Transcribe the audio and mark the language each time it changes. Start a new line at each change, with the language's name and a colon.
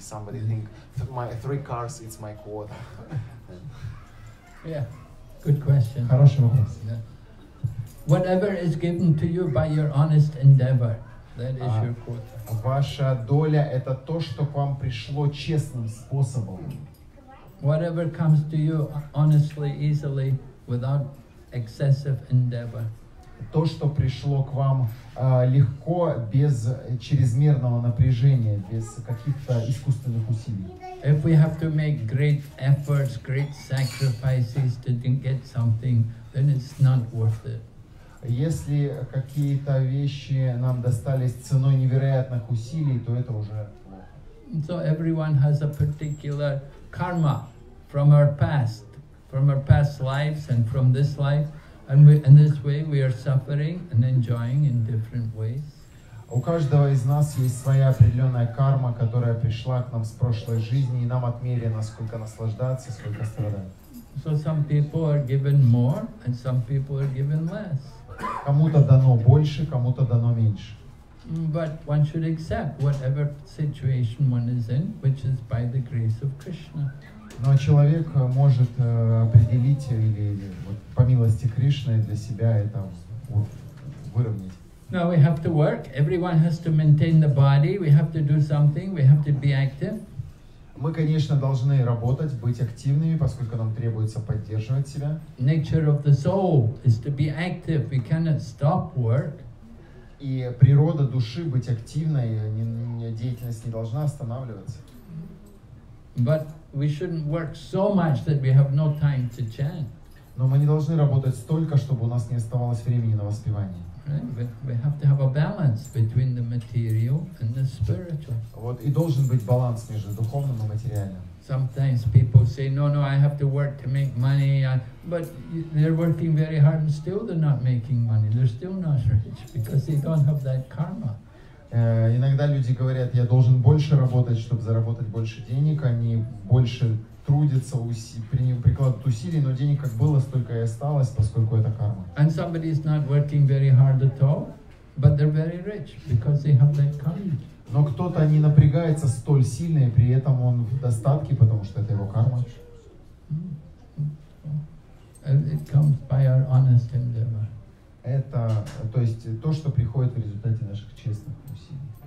English: Somebody think my three cars, it's my quota. Yeah, good question.
Russian: Хороший вопрос.
English: Yeah. Whatever is given to you by your honest endeavor, that is your quota.
Russian: Ваша доля – это то, что к вам пришло честным способом.
English: Whatever comes to you honestly, easily, without excessive endeavor.
Russian: То, что пришло к вам легко, без чрезмерного напряжения, без каких-то искусственных усилий.
English: If we have to make great efforts, great sacrifices to get something, then it's not worth it.
Russian: Если какие-то вещи нам достались ценой невероятных усилий, то это уже плохо.
English: So everyone has a particular karma from our past lives and from this life. And we, in this way, we are suffering and enjoying in different ways.
Russian: У каждого из нас есть своя определенная карма, которая пришла к нам с прошлой жизни, и нам отмерено, сколько наслаждаться, сколько страдать.
English: So some people are given more, and some people are given less.
Russian: Кому-то дано больше, кому-то дано меньше.
English: But one should accept whatever situation one is in, which is by the grace of Krishna.
Russian: Но человек может определить или вот, по милости Кришны для себя это выровнять.
English: Now we have to work. Everyone has to maintain the body. We have to do something. We have to be active.
Russian: Мы, конечно, должны работать, быть активными, поскольку нам требуется поддерживать себя.
English: Nature of the soul is to be active. We cannot stop work.
Russian: И природа души быть активной, деятельность не должна останавливаться.
English: But we shouldn't work so much that we have no time to chant.
Russian: Но мы не должны работать столько, чтобы у нас не оставалось времени на воспевание.
English: We have to have a balance between the material and the spiritual.
Russian: Вот и должен быть баланс между духовным и материальным.
English: Sometimes people say, no, I have to work to make money. But they're working very hard and still they're not making money. They're still not rich because they don't have that karma.
Russian: Иногда люди говорят, я должен больше работать, чтобы заработать больше денег, они больше трудятся, прикладывают усилий, но денег как было, столько и осталось, поскольку это карма.
English: And somebody is not working very hard at all, but they're very rich because they have that karma.
Russian: Но кто-то не напрягается столь сильно, и при этом он в достатке, потому что это его карма.
English: It comes by our honest endeavor.
Russian: Это, то есть, то, что приходит в результате наших честных усилий.